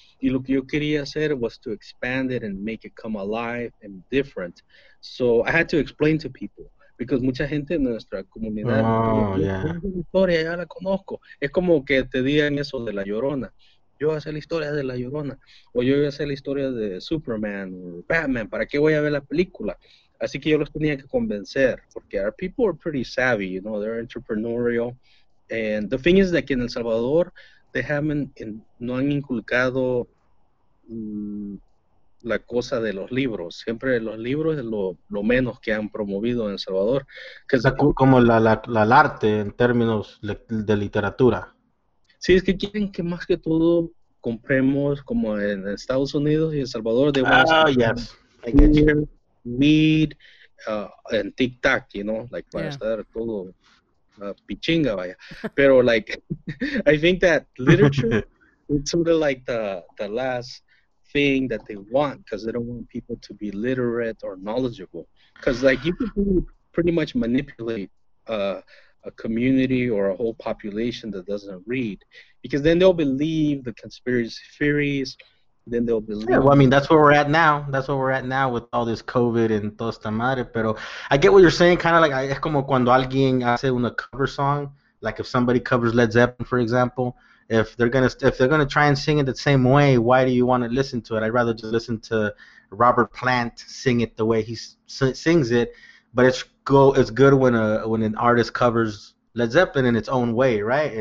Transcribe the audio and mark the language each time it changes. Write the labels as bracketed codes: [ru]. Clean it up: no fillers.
[es] Y lo que yo quería hacer [en] was to expand it and make it come alive and different. So I had to explain to people. Because [es] mucha gente en nuestra comunidad, la historia ya la conozco. Es como que te digan eso de la Llorona. Yo voy a hacer la historia de la Llorona. O yo voy a hacer la historia de Superman o Batman. ¿Para qué voy a ver la película? Así que yo los tenía que convencer. [en] Porque our people are pretty savvy, you know, they're entrepreneurial. And the thing is that [es] aquí en El Salvador, [en] they haven't, [es] no han inculcado la cosa de los libros. Siempre los libros es lo menos que han promovido en El Salvador. Como el arte en términos de literatura. Sí, es que quieren que más que todo compremos como en Estados Unidos y El Salvador. [en] Ah, oh, yes. I get you. Weed and TikTok, you know, like [es] para estar todo pichinga, vaya. [en] Pero, like, I think that literature is sort of like the last thing that they want, because they don't want people to be literate or knowledgeable. Because, like, you can pretty much manipulate a community or a whole population that doesn't read, because then they'll believe the conspiracy theories. Then they'll believe. Yeah, well, I mean, that's where we're at now. That's where we're at now with all this COVID and [es] toda esta madre. [en] Pero I get what you're saying. Kind of like, [es] es como cuando alguien hace una cover song. [en] Like if somebody covers Led Zeppelin, for example, if they're gonna try and sing it the same way, why do you want to listen to it? I'd rather just listen to Robert Plant sing it the way he sings it. But it's good when an artist covers Led Zeppelin in its own way, right?